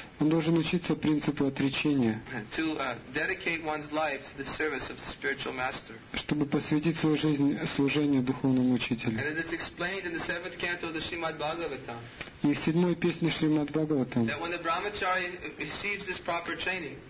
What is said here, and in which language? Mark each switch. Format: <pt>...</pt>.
<ru>Он должен учиться принципу отречения.</ru> <en>To dedicate one's life to the service of the spiritual master.</en> <ru>Чтобы посвятить свою жизнь служению духовному учителю.</ru> <en>And it is explained in the seventh canto of the Srimad Bhagavatam.</en> <ru>И в седьмой песне Шримад Бхагаватам.</ru> <en>That when the brahmachari receives this proper training.</en>